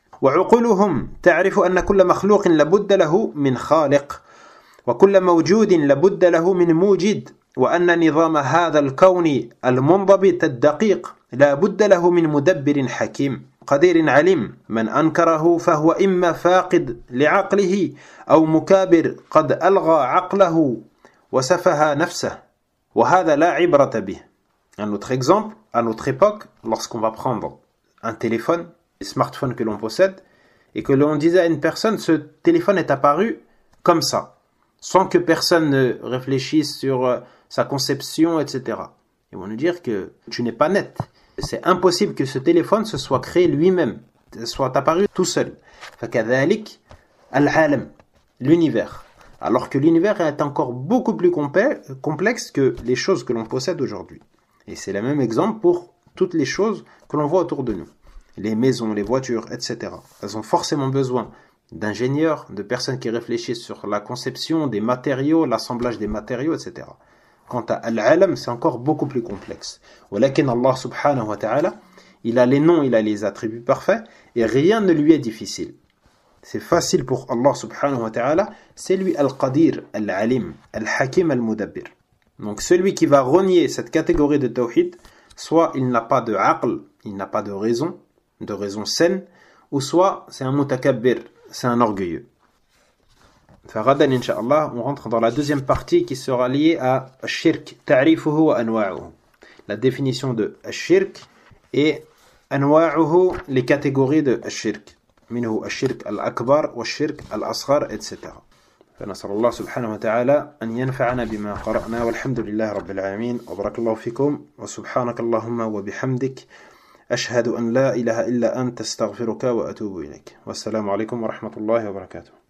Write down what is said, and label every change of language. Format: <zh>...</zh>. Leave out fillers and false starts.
<ar>وعقولهم تعرف أن كل مخلوق لابد له من خالق وكل موجود لابد له من موجد وأن نظام هذا الكون المنضبط الدقيق لابد له من مدبر حكيم قدير عليم من أنكره فهو إما فاقد لعقله أو مكابر قد ألغى عقله وسفها نفسه وهذا لا عبرة به.</ar> <fr>Un autre exemple, à notre époque, lorsqu'on va prendre un téléphone, les smartphones que l'on possède, et que l'on disait à une personne, ce téléphone est apparu comme ça, sans que personne ne réfléchisse sur sa conception, etc. Ils vont nous dire que tu n'es pas net. C'est impossible que ce téléphone se soit créé lui-même, soit apparu tout seul.</fr> <ar>فَكَذَلِكْ الْعَالَمْ</ar> <fr>L'univers. Alors que l'univers est encore beaucoup plus complexe que les choses que l'on possède aujourd'hui. Et c'est le même exemple pour toutes les choses que l'on voit autour de nous. Les maisons, les voitures, etc. Elles ont forcément besoin d'ingénieurs, de personnes qui réfléchissent sur la conception des matériaux, l'assemblage des matériaux, etc. Quant à Al-Alam, c'est encore beaucoup plus complexe. Walakin Allah subhanahu wa ta'ala, il a les noms, il a les attributs parfaits, et rien ne lui est difficile. C'est facile pour Allah subhanahu wa ta'ala, c'est lui Al-Qadir, Al-Alim, Al-Hakim, Al-Mudabbir. Donc celui qui va renier cette catégorie de tawhid, soit il n'a pas de aql, il n'a pas de raison saine, ou soit c'est un mutakabbir, c'est un orgueilleux. Faradan, inshallah, on rentre dans la deuxième partie qui sera liée à shirk,</fr> <ar>ta'rifuhu wa anwa'uhu.</ar> <fr>La définition de shirk et anwa'uhu, les catégories de shirk.</fr> <ar>Minhu shirk al-akbar wa shirk al-asghar, etc. فنسأل الله سبحانه وتعالى أن ينفعنا بما قرأنا والحمد لله رب العالمين وبارك الله فيكم وسبحانك اللهم وبحمدك أشهد أن لا إله إلا أنت استغفرك وأتوب إليك والسلام عليكم ورحمة الله وبركاته.</ar>